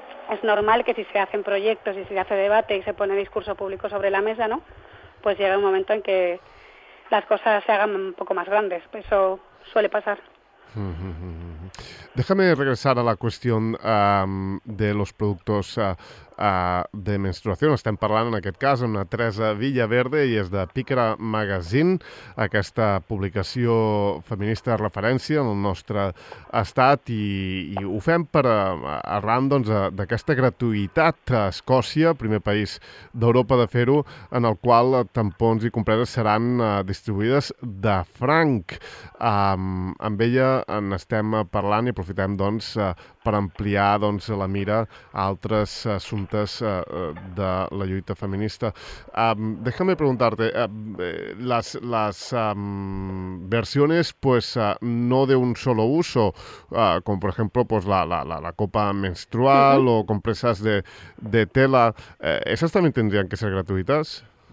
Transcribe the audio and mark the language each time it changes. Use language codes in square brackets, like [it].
[es] Es normal que si se hacen proyectos y si se hace debate y se pone discurso público sobre la mesa, ¿no? Pues llega un momento en que las cosas se hagan un poco más grandes. Eso suele pasar. Déjame regresar a la cuestión de los productos de menstruación. [ca] Estem parlant, en aquest cas, amb la Teresa Villaverde i és de Pícara Magazine, aquesta publicació feminista de referència en el nostre estat, i ho fem per arran d'aquesta gratuïtat a Escòcia, primer país d'Europa de fer-ho, en el qual tampons i compreses seran distribuïdes de franc. Amb ella en estem parlant i aprofitem per ampliar la mira a altres assumptes de la lluita feminista. [es] Déjame preguntarte, las versiones no de un solo uso, como por ejemplo la copa menstrual o compresas de tela, ¿esas también tendrían que ser gratuitas?